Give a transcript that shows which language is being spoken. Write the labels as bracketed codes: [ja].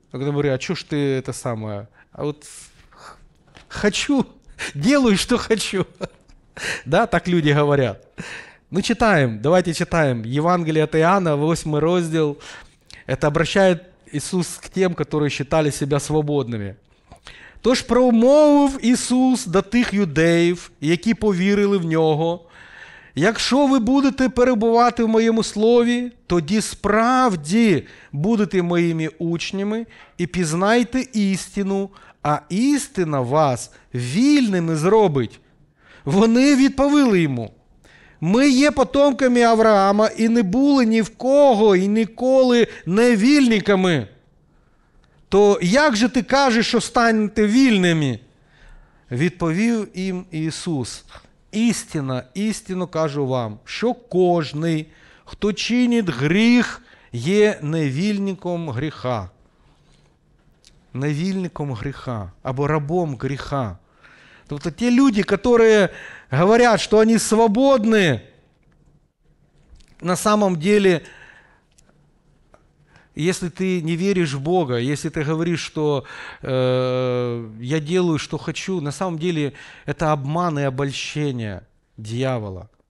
[ru] Я говорю: а что ж ты это самое? А вот хочу, делаю, что хочу. Да, так люди говорят. Ну, читаем, давайте читаем. Евангелие от Иоанна, 8 раздел. Это обращает Иисус к тем, которые считали себя свободными. [uk] «Тож промовив Иисус до тих юдеїв, які повірили в Нього, якщо ви будете перебувати в Моєму Слові, тоді справді будете Моїми учнями і пізнайте істину, а істина вас вільними зробить». Вони відповіли йому: «Ми є потомками Авраама і не були ні в кого і ніколи невільниками. То як же ти кажеш, що станете вільними?» Відповів їм Ісус: «Істина, істину кажу вам, що кожний, хто чинить гріх, є невільником гріха». Невільником гріха або рабом гріха. Тобто ті люди, які [ru] говорят, что они свободны, на самом деле, если ты не веришь в Бога, если ты говоришь, что я делаю, что хочу, на самом деле это обман и обольщение дьявола.